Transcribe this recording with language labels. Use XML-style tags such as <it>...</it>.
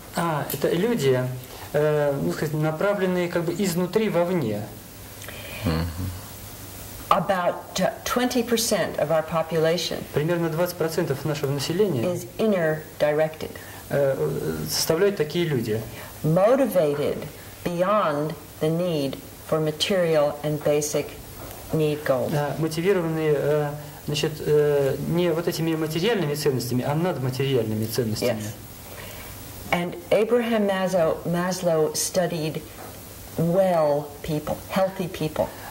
<ru>А это люди, ну сказать, направленные как бы изнутри вовне.</ru> <en>About 20% of our population.</en> <ru>Примерно 20% нашего населения.</ru> <en>Is inner directed.</en> <ru>Составляют такие люди.</ru> <en>Motivated beyond the need for material and basic need goals.</en> <ru>Мотивированные, значит, не вот этими материальными ценностями, а надматериальными ценностями.</ru> <en>Yes. And Abraham Maslow studied well people, healthy people.</en>